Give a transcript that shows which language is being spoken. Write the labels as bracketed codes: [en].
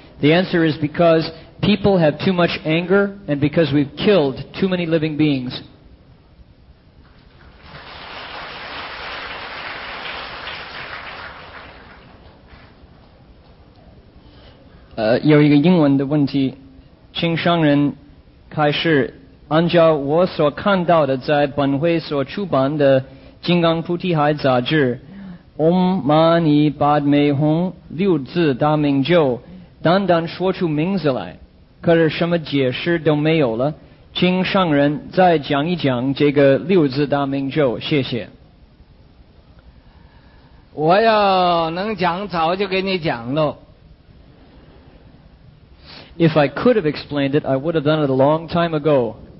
[en] The answer is because... People have too much anger, and because we've killed too many living beings. Here is an English question. [zh] 请商人开始。按照我所看到的，在本会所出版的《金刚菩提海》杂志，Om Mani Padme Hum 六字大明咒，单单说出名字来。可是什么解释都没有了，请上人再讲一讲这个六字大明咒，谢谢。我要能讲，早就给你讲喽。 [en] If I could have explained it, I would have done it a long time ago.